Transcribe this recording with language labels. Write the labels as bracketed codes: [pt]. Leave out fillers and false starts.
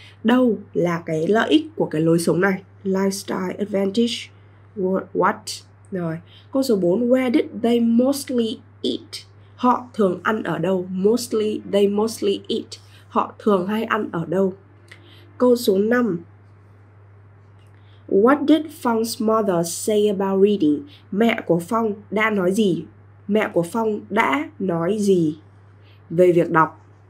[vi] Đâu là cái lợi ích của cái lối sống này? [en] Lifestyle advantage. What? [vi] Rồi, câu số 4, [en] where did they mostly eat? [vi] Họ thường ăn ở đâu? [en] Mostly, they mostly eat. [vi] Họ thường hay ăn ở đâu? Câu số 5. [en] What did Phong's mother say about reading? [vi] Mẹ của Phong đã nói gì? Mẹ của Phong đã nói gì về việc đọc?